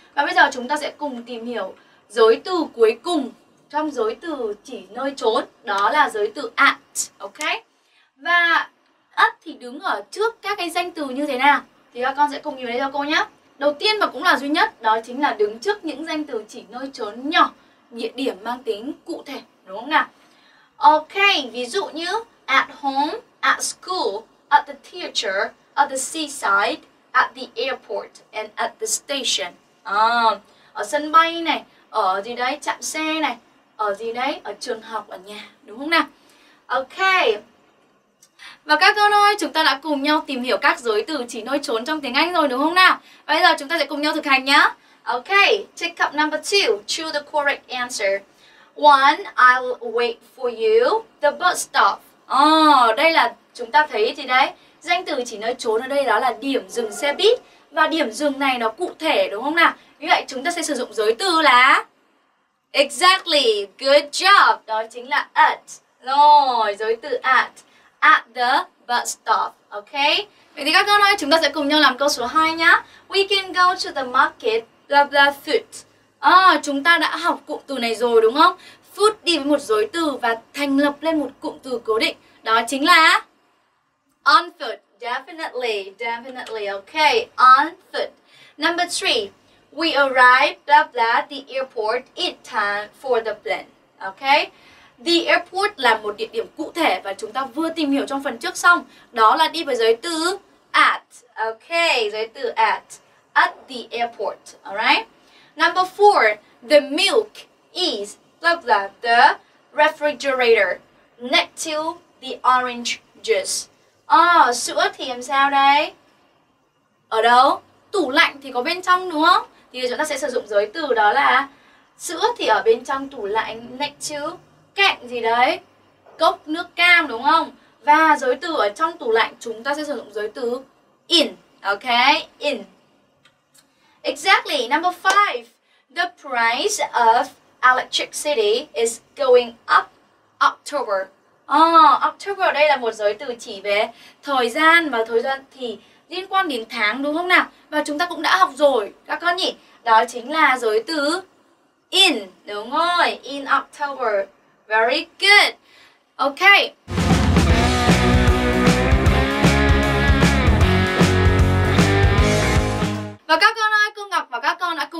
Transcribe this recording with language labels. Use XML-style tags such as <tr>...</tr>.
<vi>Và bây giờ chúng ta sẽ cùng tìm hiểu giới từ cuối cùng trong giới từ chỉ nơi chốn, đó là giới từ at. Ok, và at thì đứng ở trước các cái danh từ như thế nào thì các con sẽ cùng nhìn thấy cho cô nhé. Đầu tiên và cũng là duy nhất, đó chính là đứng trước những danh từ chỉ nơi chốn nhỏ, địa điểm mang tính cụ thể, đúng không nào?</vi> <en>Ok,</en> <vi>ví dụ như</vi> <en>at home, at school, at the theater, at the seaside, at the airport, and at the station.</en> <vi>Ở sân bay này, ở gì đấy, chạm xe này, ở gì đấy, ở trường học, ở nhà, đúng không nào? Ok, và các con ơi, chúng ta đã cùng nhau tìm hiểu các giới từ chỉ nơi chốn trong tiếng Anh rồi, đúng không nào? Bây giờ chúng ta sẽ cùng nhau thực hành nhá. Ok,</vi> <en>take up number 2, choose the correct answer. 1, I'll wait for you, the bus stop.</en> <vi>Đây là chúng ta thấy gì đấy, danh từ chỉ nơi chốn ở đây đó là điểm dừng xe buýt. Và điểm dừng này nó cụ thể, đúng không nào? Như vậy chúng ta sẽ sử dụng giới từ là</vi> <en>exactly, good job,</en> <vi>đó chính là at. Rồi, giới từ at, at the bus stop. Ok, vậy thì các con ơi, chúng ta sẽ cùng nhau làm câu số 2 nhá.</vi> <en>We can go to the market, blah blah food.</en> <vi>Chúng ta đã học cụm từ này rồi, đúng không? Food đi với một giới từ và thành lập lên một cụm từ cố định, đó chính là on foot.</vi> <en>Definitely, definitely, ok, on foot. Number 3, we arrive blah blah the airport in time for the plane.</en> <vi>Ok, the airport là một địa điểm cụ thể và chúng ta vừa tìm hiểu trong phần trước xong, đó là đi với giới từ at. Ok, giới từ at the airport.</vi> <en>Alright, number 4, the milk is blah blah the refrigerator next to the orange juice.</en> <vi>Sữa thì làm sao đây? Ở đâu? Tủ lạnh thì có bên trong, đúng không? Thì chúng ta sẽ sử dụng giới từ đó là sữa thì ở bên trong tủ lạnh, next to, cạnh gì đấy, cốc nước cam, đúng không? Và giới từ ở trong tủ lạnh chúng ta sẽ sử dụng giới từ in.</vi> <en>Ok, in. Exactly, number 5, the price of electricity is going up October.</en> <vi>October ở đây là một giới từ chỉ về thời gian, và thời gian thì liên quan đến tháng, đúng không nào? Và chúng ta cũng đã học rồi các con nhỉ, đó chính là giới từ in, đúng rồi, in October.</vi> <en>Very good.</en> <vi>Ok, và các con ơi, cô Ngọc và các con đã cùng</vi>